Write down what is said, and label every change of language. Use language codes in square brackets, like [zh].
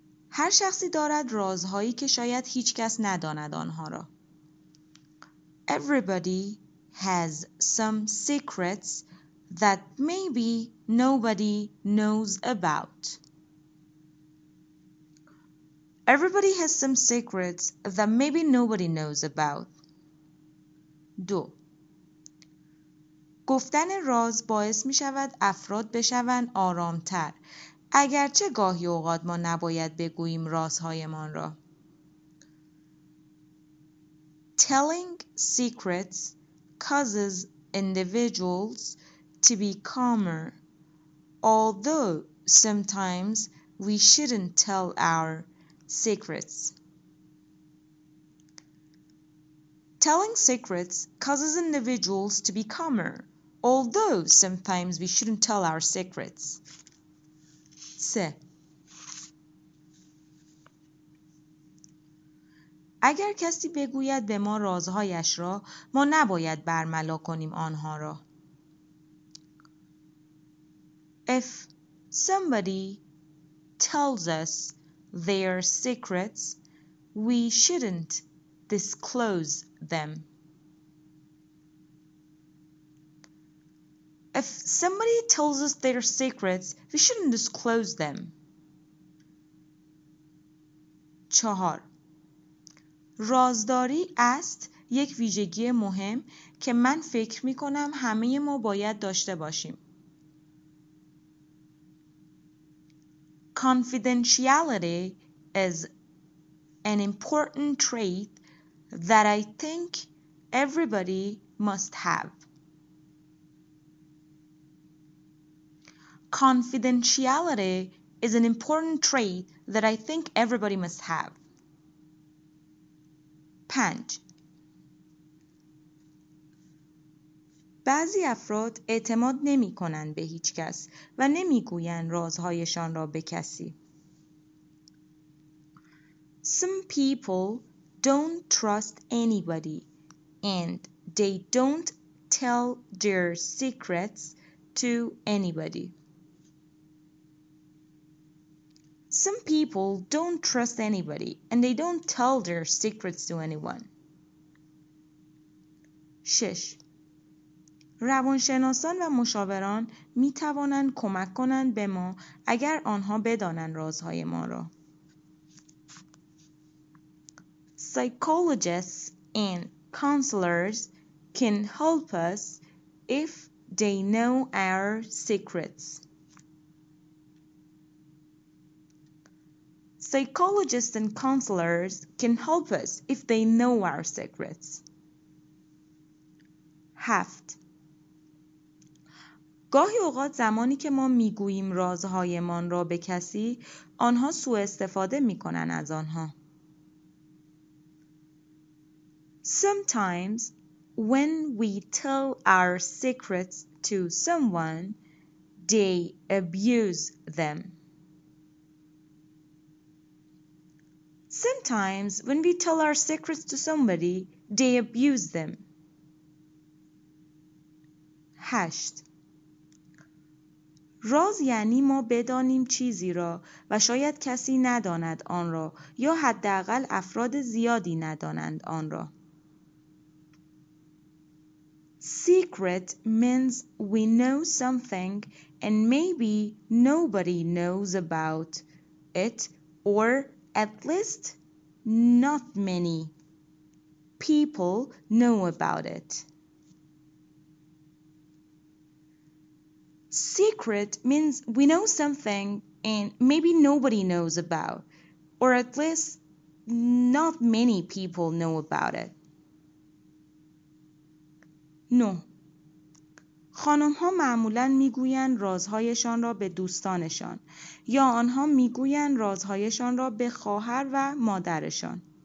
[fa] هر شخصی دارد رازهایی که شاید هیچ کس نداند آنها را. [en] Everybody has some secrets that maybe nobody knows about. Everybody has some secrets that maybe nobody knows about. 2. [fa] گفتن راز باعث می شود افراد بشوند آرام تر، اگرچه گاهی اوقات ما نباید بگوییم رازهایمان را. [en] Telling secrets causes individuals to be calmer, although sometimes we shouldn't tell our secrets. Telling secrets causes individuals to be calmer, although sometimes we shouldn't tell our secrets. 3. [fa] اگر کسی بگوید به ما رازهایش را، ما نباید برملا کنیم آنها را. [en] If somebody tells us their secrets, we shouldn't disclose them. If somebody tells us their secrets, we shouldn't disclose them. 4. [fa] رازداری است یک ویژگی مهم که من فکر می‌کنم همه ما باید داشته باشیم. [en] Confidentiality is an important trait that I think everybody must have. Confidentiality is an important trait that I think everybody must have. 5. [fa] بعضی افراد اعتماد نمی کنند به هیچ کس و نمی گویند رازهایشان را به کسی. [en] Some people don't trust anybody and they don't tell their secrets to anybody. Some people don't trust anybody and they don't tell their secrets to anyone. 6. [fa] روانشناسان و مشاوران می توانند کمک کنند به ما اگر آنها بدانند رازهای ما را. [en] Psychologists and counselors can help us if they know our secrets. Psychologists and counselors can help us if they know our secrets. 7. [fa] گاهی اوقات زمانی که ما میگوییم رازهایمان را به کسی، آنها سوء استفاده میکنن از آنها. [en] Sometimes when we tell our secrets to someone, they abuse them. Sometimes when we tell our secrets to somebody, they abuse them. 8. [fa] راز یعنی ما بدانیم چیزی را و شاید کسی نداند آن را یا حداقل افراد زیادی ندانند آن را. [en] Secret means we know something and maybe nobody knows about it or at least not many people know about it. Secret means we know something and maybe nobody knows about, or at least not many people know about it. No. [fa] خانم ها معمولاً میگویند رازهایشان را به دوستانشان یا آنها میگویند رازهایشان را به خواهر و مادرشان.